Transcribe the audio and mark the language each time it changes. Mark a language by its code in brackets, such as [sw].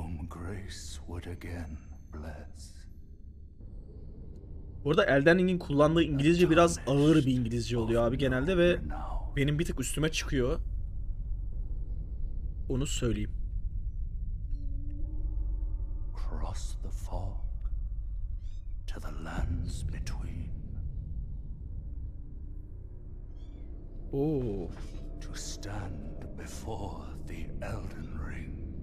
[en] Grace would again bless. [tr] Burada Elden Ring'in kullandığı İngilizce biraz ağır bir İngilizce oluyor abi genelde ve benim bir tık üstüme çıkıyor. Onu söyleyeyim. [en] Cross the fog to the lands between. Oh, to stand before the Elden Ring.